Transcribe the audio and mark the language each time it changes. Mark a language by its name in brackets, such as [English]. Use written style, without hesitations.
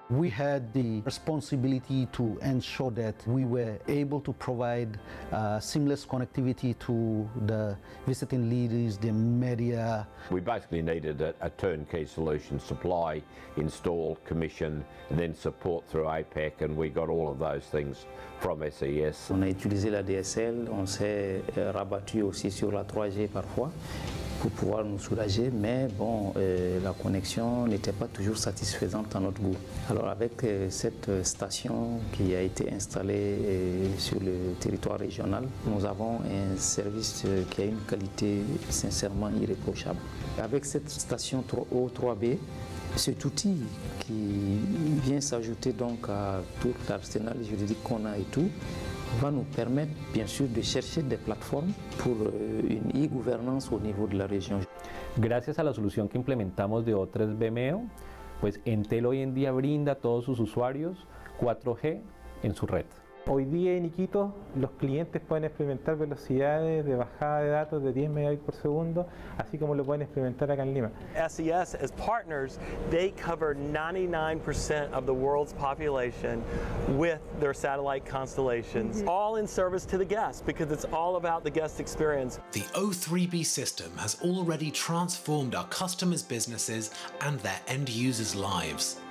[English] We had the responsibility to ensure that we were able to provide seamless connectivity to the visiting leaders, the media. We basically needed a turnkey solution, supply, install, commission, and then support through APEC, and we got all of those things from SES. [French] On a utilisé la DSL, on s'est rabattu aussi sur la 3G parfois pour pouvoir nous soulager, mais bon, la connexion n'était pas toujours satisfaisante à notre goût. Alors avec cette station qui a été installée sur le territoire régional, nous avons un service qui a une qualité sincèrement irréprochable. Avec cette station O3B, cet outil qui vient s'ajouter donc à tout l'arsenal juridique qu'on a et tout, va nous permettre bien sûr de chercher des plateformes pour une e-gouvernance au niveau de la région. [Spanish] Gracias a la solución que implementamos de O3 BMEO, pues Entel hoy en día brinda a todos sus usuarios 4G en su red. Hoy día en Iquitos los clientes pueden experimentar velocidades de bajada de datos de 10 megabits por segundo, así como lo pueden experimentar acá en Lima. [English] SES, as partners, they cover 99% of the world's population with their satellite constellations, all in service to the guests, because it's all about the guest experience. The O3b system has already transformed our customers' businesses and their end users' lives.